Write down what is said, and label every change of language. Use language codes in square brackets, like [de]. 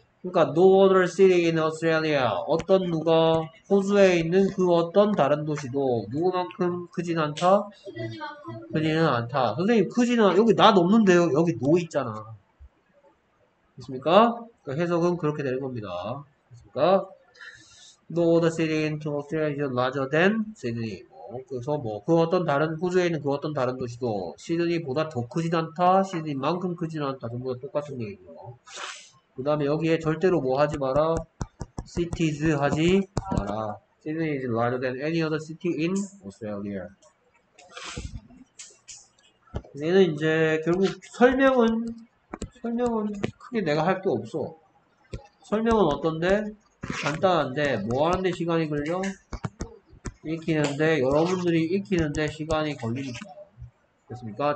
[ko] 그러니까 [en] no other city in Australia. [ko] 어떤 누가 호주에 있는 그 어떤 다른 도시도 누구만큼 크진 않다? 크지는 않다. 선생님 크지는 않다. 여기 not 없는데요. 여기 no 있잖아. 됐습니까? 그러니까 해석은 그렇게 되는 겁니다. 됐습니까? [en] No other city in Australia is larger than Sydney. [ko] 그래서 뭐 그 어떤 다른 호주에 있는 그 어떤 다른 도시도 시드니보다 더 크진 않다. 시드니만큼 크진 않다. 전부 다 똑같은 얘기죠. 그 다음에 여기에 절대로 뭐 하지 마라. cities 하지 마라. [en] Sydney is larger than any other city in Australia. [ko] 얘는 이제 결국 설명은 크게 내가 할 게 없어. 설명은 어떤데? 간단한데 뭐 하는데 시간이 걸려? 익히는데, 여러분들이 익히는데 시간이 걸립니다. 됐습니까?